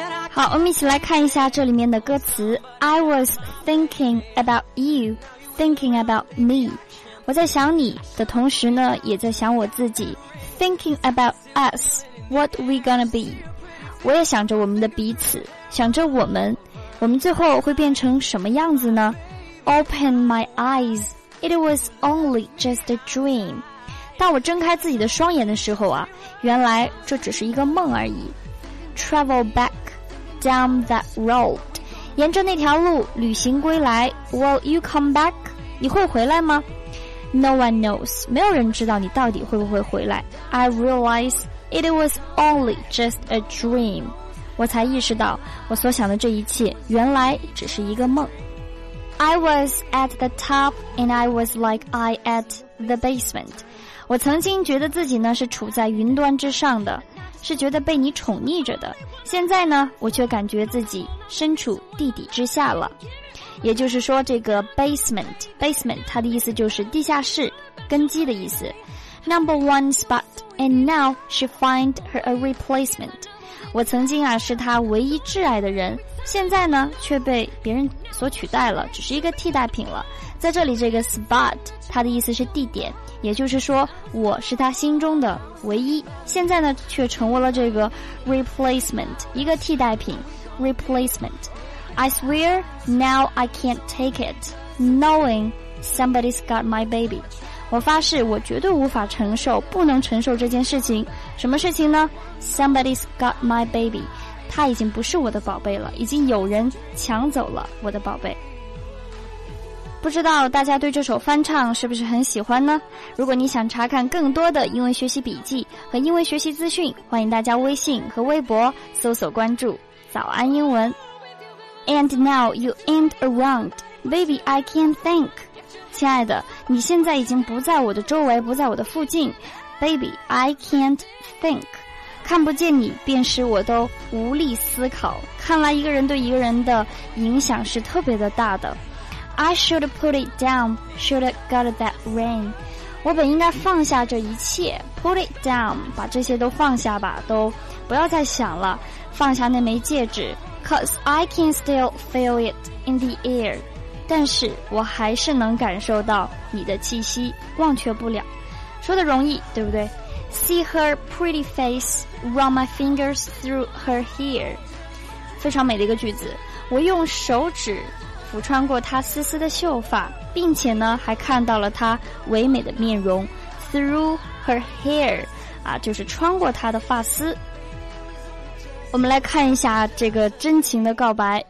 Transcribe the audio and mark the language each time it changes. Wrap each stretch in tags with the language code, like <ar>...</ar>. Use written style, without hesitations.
<zh>好，我们一起来看一下这里面的歌词。</zh> <en>I was thinking about you, thinking about me.</en> <zh>我在想你的同时呢，也在想我自己。</zh> <en>Thinking about us, what we gonna be?</en> <zh>我也想着我们的彼此，想着我们最后会变成什么样子呢？</zh> <en>Open my eyes, it was only just a dream.</en> <zh>当我睁开自己的双眼的时候啊，原来这只是一个梦而已。</zh> <en>Travel back down that road,</en> <zh>沿着那条路旅行归来。</zh> <en>Will you come back?</en> <zh>你会回来吗？</zh> <en>No one knows,</en> <zh>没有人知道你到底会不会回来。</zh> <en>I realizeIt was only just a dream.</en> <zh>我才意识到我所想的这一切原来只是一个梦。</zh> <en>I was at the top and I was like I at the basement.</en> <zh>我曾经觉得自己呢是处在云端之上的，是觉得被你宠溺着的。现在呢，我却感觉自己身处地底之下了。也就是说这个 basement 它的意思就是地下室，根基的意思。</zh> <en>Number one spotAnd now she find her a replacement.</en> <zh>我曾经啊是她唯一挚爱的人，现在呢却被别人所取代了，只是一个替代品了。在这里这个 spot 它的意思是地点，也就是说我是她心中的唯一，现在呢却成为了这个 replacement 一个替代品 replacement.</zh> <en>I swear now I can't take it knowing somebody's got my baby.</en> <zh>我发誓我绝对无法承受，不能承受这件事情。什么事情呢？</zh> <en>Somebody's got my baby.</en> <zh>他已经不是我的宝贝了，已经有人抢走了我的宝贝。不知道大家对这首翻唱是不是很喜欢呢？如果你想查看更多的英文学习笔记和英文学习资讯，欢迎大家微信和微博搜索关注早安英文。</zh> <en>And now you ain't around, baby I can't think.</en> <zh>亲爱的，你现在已经不在我的周围，不在我的附近。</zh> <en>Baby, I can't think.</en> <zh>看不见你便是我都无力思考。看来一个人对一个人的影响是特别的大的。</zh> <en>I should put it down, should have got that rain.</en> <zh>我本应该放下这一切。</zh> <en>Put it down,</en> <zh>把这些都放下吧，都不要再想了，放下那枚戒指。</zh> <en>Cause I can still feel it in the air.</en> <zh>但是我还是能感受到你的气息，忘却不了。说的容易，对不对？</zh> <en>See her pretty face, run my fingers through her hair.</en> <zh>非常美的一个句子。我用手指抚穿过她丝丝的秀发，并且呢还看到了她唯美的面容。</zh> <en>Through her hair,</en> <zh>啊，就是穿过她的发丝。我们来看一下这个真情的告白。</zh>